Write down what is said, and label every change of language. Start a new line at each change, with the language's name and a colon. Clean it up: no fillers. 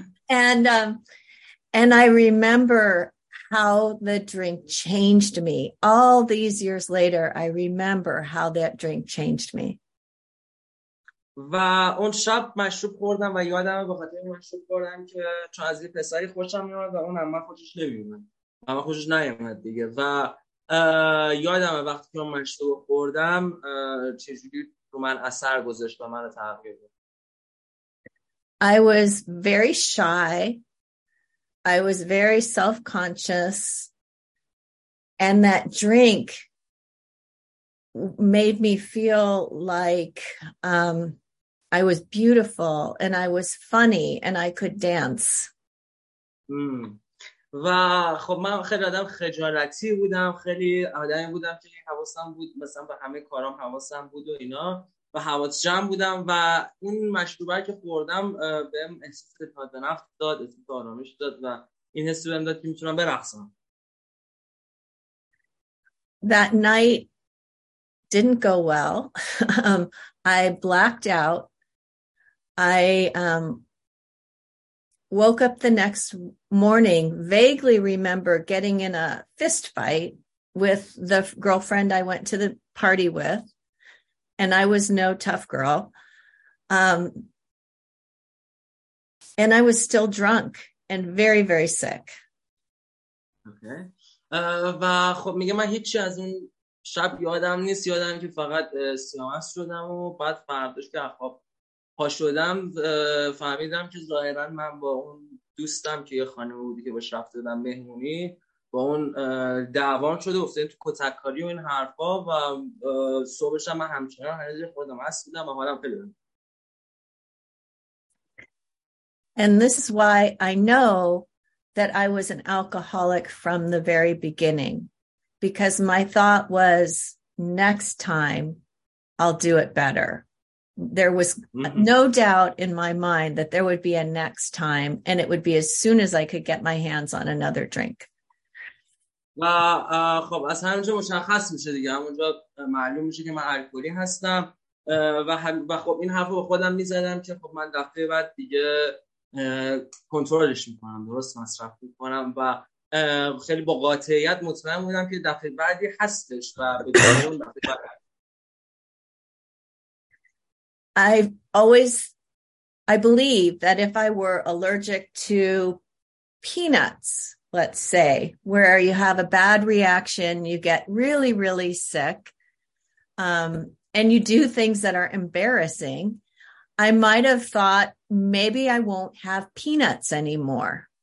English: And I remember how the drink changed me. All these years later, I remember how that drink changed me.
Persian: و اون شب مشروب خوردم و یادم به خاطر مشروب خوردم که چون از یه پسری خوشم میومد و اون عمه خوشش نمیومد. عمه خوشش نیومد دیگه و یادم وقتی که اون مشروب خوردم چجوری رو من اثر گذاشت و منو تغییر داد.
English: I was very shy. I was very self-conscious. And that drink made me feel like I was beautiful and I was funny and I could dance.
Persian: و خب من خیلی آدم خجالتی بودم، خیلی آدمی بودم که حواسم بود مثلا به همه کارام حواسم بود و اینا و حواس جمع بودم و اون مشروبه که خوردم بهم احساس اعتماد به نفس داد، احساس آرامش داد و این حس بهم داد که میتونم برقصم.
English: That night didn't go well. I blacked out. I woke up the next morning, vaguely remember getting in a fist fight with the girlfriend I went to the party with. And I was no tough girl. And I was still drunk and very, very sick. Okay.
Persian: و خب میگه من هیچی از اون شب یادم نیست. یادم که فقط سیاهش شدم و بعد فرداش که خواب پا شدم فهمیدم که ظاهرا من با اون دوستم که یه خانم بودی که باش رفته بودم مهمونی با اون دعوام شده افتادیم تو کتککاری و این حرفا و صبحش هم من همچنان هنوز خودم هست بودم و حالم خیلی بودم.
English: And this is why I know that I was an alcoholic from the very beginning, because my thought was next time I'll do it better. There was no doubt in my mind that there would be a next time and it would be as soon as I could get my hands on another drink.
Persian: و خب از همونجا مشخص میشه دیگه، همونجا معلوم میشه که من الکلی هستم و خب این حرف رو خودم میزدم که خب من دفعه بعد دیگه کنترلش میکنم، درست مصرف میکنم و خیلی با قاطعیت مطمئن بودم که دفعه بعدی هستش و به جای اون دفعه بعد.
English: I believe that if I were allergic to peanuts, let's say, where you have a bad reaction, you get really, really sick, and you do things that are embarrassing, I might have thought maybe I won't have peanuts anymore.